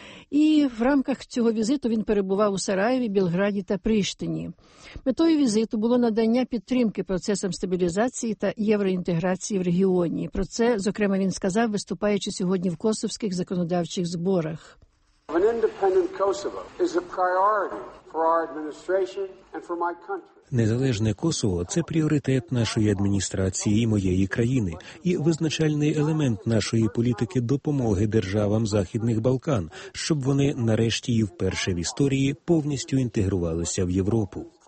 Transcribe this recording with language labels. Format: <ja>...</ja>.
<uk>І в рамках цього візиту він перебував у Сараєві, Білграді та Приштині. Метою візиту було надання підтримки процесам стабілізації та євроінтеграції в регіоні. Про це, зокрема, він сказав, виступаючи сьогодні в косовських законодавчих зборах.</uk> <en>An independent Kosovo is a priority for our administration and for my country.</en> <uk>Незалежне Косово – це пріоритет нашої адміністрації і моєї країни, і визначальний елемент нашої політики допомоги державам Західних Балкан, щоб вони нарешті і вперше в історії повністю інтегрувалися в Європу.</uk>